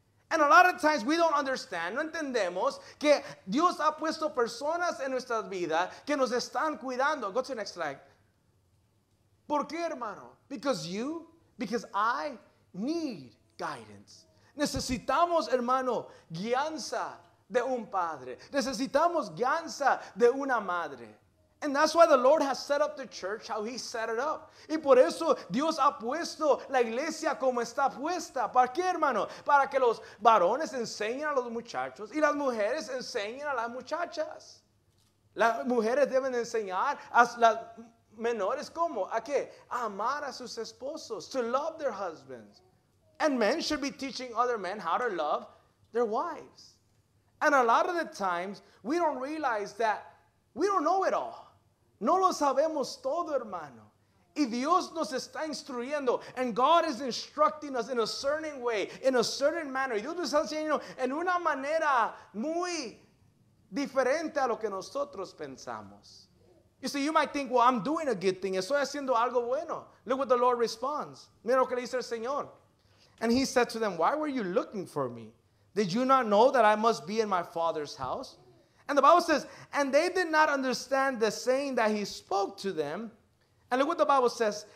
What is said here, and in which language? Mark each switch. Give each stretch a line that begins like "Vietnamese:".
English: And a lot of times we don't understand,
Spanish: no entendemos que Dios ha puesto personas en nuestras vidas que nos están cuidando.
English: Go to the next slide.
Spanish: ¿Por qué, hermano?
English: Because you, because I need guidance.
Spanish: Necesitamos, hermano, guianza de un padre. Necesitamos guianza de una madre.
English: And that's why the Lord has set up the church how he set it up.
Spanish: Y por eso Dios ha puesto la iglesia como está puesta. ¿Para qué, hermano? Para que los varones enseñen a los muchachos y las mujeres enseñen a las muchachas. Las mujeres deben enseñar a las menores, ¿cómo? ¿A qué? A amar a sus esposos,
English: to love their husbands. And men should be teaching other men how to love their wives. And a lot of the times, we don't realize that we don't know it all.
Spanish: No lo sabemos todo, hermano. Y Dios nos está instruyendo.
English: And God is instructing us in a certain way, in a certain manner.
Spanish: Y Dios nos está enseñando en una manera muy diferente a lo que nosotros pensamos.
English: You see, you might think, well, I'm doing a good thing.
Spanish: Estoy haciendo algo bueno.
English: Look what the Lord responds.
Spanish: Mira lo que le dice el Señor.
English: And he said to them, "Why were you looking for me? Did you not know that I must be in my father's house?" And the Bible says, and they did not understand the saying that he spoke to them. And look what the Bible says.